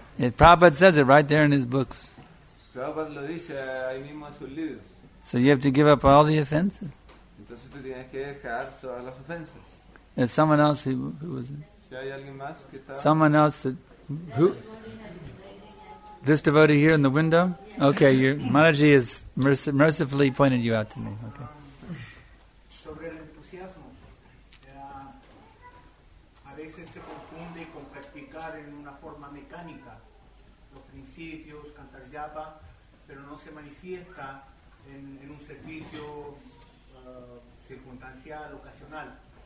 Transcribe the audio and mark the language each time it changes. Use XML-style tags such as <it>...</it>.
<en>Prabhupada says it right there in his books. So you have to give up all the offenses.</en> <es>Entonces, tú tienes que dejar todas las ofensas.</es> <en>There's someone else who was it?</en> <es>Si hay alguien más que está</es> <en>someone else that, who? This devotee here in the window? Yes. Okay, your Maharaji has mercifully pointed you out to me. Okay.</en> <es>Sobre el entusiasmo, a veces se confunde con practicar en una forma mecánica los principios, cantar yapa, pero no se manifiesta en un servicio circunstancial, ocasional.</es>